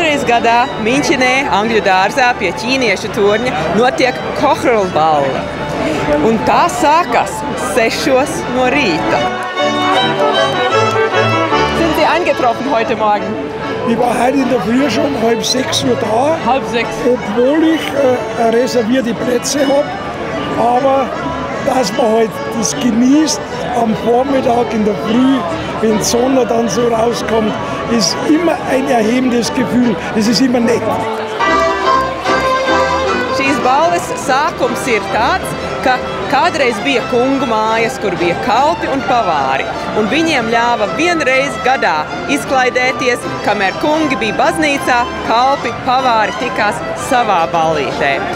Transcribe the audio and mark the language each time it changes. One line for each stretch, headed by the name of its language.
Latvian: Gadā Miņķinē, Angļu dārzā, pie ķīniešu turņa, notiek Cockerel balle. Un tā sākas 6:00 no rīta.
German: Sind Sie angetroffen heute Morgen? Ich war heute in der Früh schon 5:30 Uhr da. 5:30. Obwohl ich reservierte Plätze habe. Aber dass man heute halt das genießt, am Vormittag in der Früh, wenn die Sonne dann so rauskommt, ist immer ein erhebendes Gefühl. Es ist immer nett.
Latvian: Šīs balles sākums ir tāds, ka kādreiz bija kungu mājas, kur bija kalpi un pavāri, un viņiem ļāva vienreiz gadā izklaidēties, kamēr kungi bija baznīcā, kalpi, pavāri tikās savā ballītē.